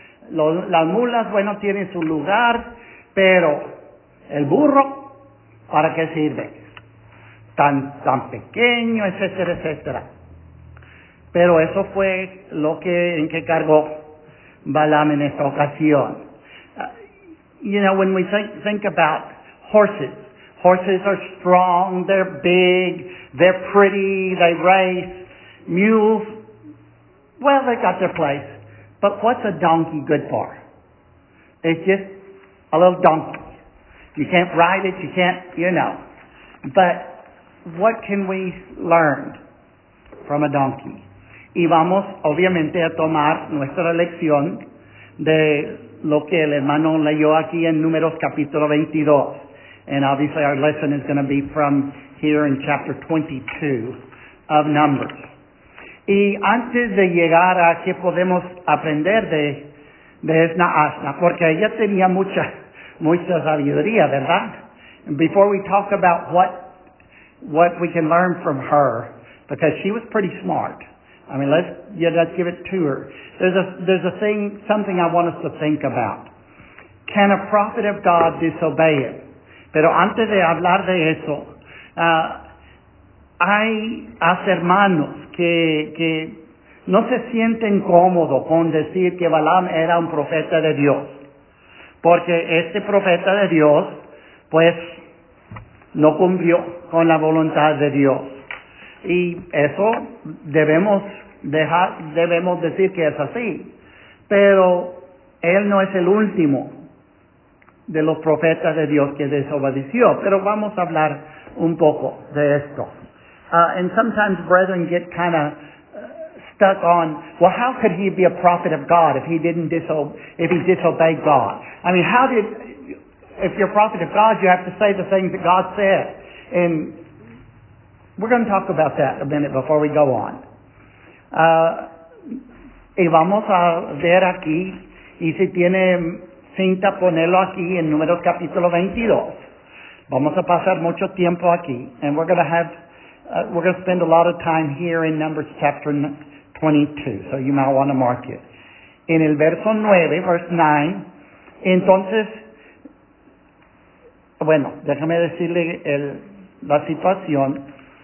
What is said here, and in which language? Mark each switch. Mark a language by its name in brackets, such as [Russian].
[Spanish] Las mulas, bueno, tienen su lugar, pero el burro, ¿para qué sirve? Tan pequeño, etcétera, etcétera. Pero eso fue lo que en que cargó Balaam en esta ocasión. [English] You know, when we think about horses, horses are strong, they're big, they're pretty, they race. Mules, well, they got their place. But what's a donkey good for? It's just a little donkey. You can't ride it, you can't, you know. But what can we learn from a donkey? [Spanish] Y vamos, obviamente, a tomar nuestra lección de lo que el hermano leyó aquí en Números capítulo 22. [English] And obviously our lesson is going to be from here in chapter 22 of Numbers. [Spanish] Y antes de llegar a qué podemos aprender de esta asna, porque ella tenía mucha sabiduría, ¿verdad? [English] Before we talk about what we can learn from her, because she was pretty smart. I mean, let's give it to her. There's something I want us to think about. Can a prophet of God disobey him? [Spanish] Pero antes de hablar de eso, hay hermanos que no se sienten cómodos con decir que Balaam era un profeta de Dios. Porque este profeta de Dios, pues, no cumplió con la voluntad de Dios. Y eso debemos decir que es así. Pero él no es el último de los profetas de Dios que desobedeció. Pero vamos a hablar un poco de esto. [English] And sometimes brethren get kind of stuck on, well, how could he be a prophet of God if he didn't disobey God? I mean, if you're a prophet of God, you have to say the things that God said. And we're going to talk about that a minute before we go on. [Spanish] Y vamos a ver aquí, y si tiene cinta, ponerlo aquí en Números capítulo 22. Vamos a pasar mucho tiempo aquí, [English] and we're going to spend a lot of time here in Numbers chapter 22, so you might want to mark it. [Spanish] En el verso 9, [English] verse 9, [Spanish] entonces, bueno, déjame decirle la situación.